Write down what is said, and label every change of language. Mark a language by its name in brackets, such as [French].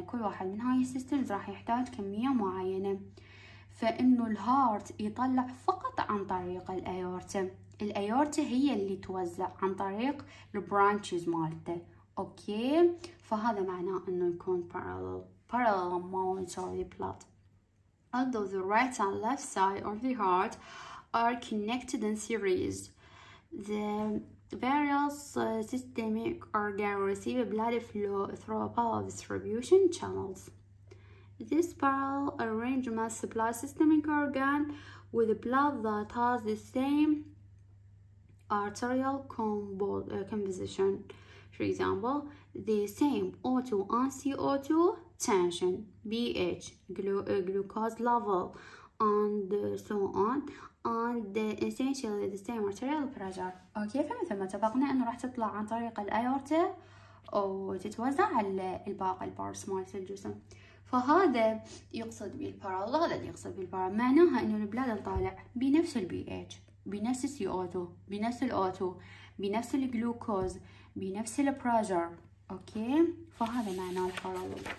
[Arabic] كل واحد من هاي السيستمز راح يحتاج كمية معينة، فإنه الهارت يطلع فقط عن طريق الأيورتة. الأيورتة هي اللي توزع عن طريق البرانشز مالته، أوكي؟ فهذا معناه إنه يكون parallel monitor plot. [English] Although the right and left side of the heart are connected in series, the various systemic organ receive blood flow through parallel distribution channels. This parallel arrangement supplies systemic organ with blood that has the same arterial composition. For example, the same O2 and CO2 tension, pH, glucose level, and so on, and essentially the same arterial pressure. [Arabic] Okay, فمثل ما اتفقنا انه راح تطلع عن طريق الأيورتة وتتوزع على الباقي البارس مال الجسم. فهذا يقصد بالبارال، هذا اللي يقصد بالبارال، معناها انه البلاد طالع بنفس البي اتش، بنفس السي او 2، بنفس الاو 2، بنفس الجلوكوز، بنفس البريشر، اوكي؟ فهذا معناه البارال.